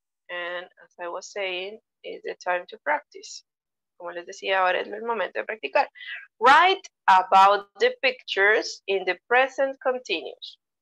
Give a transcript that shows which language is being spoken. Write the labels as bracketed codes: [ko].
[en] And as I was saying, it's the time to practice. [es] Como les decía, ahora es el momento de practicar. [en] Write about the pictures in the present continuous.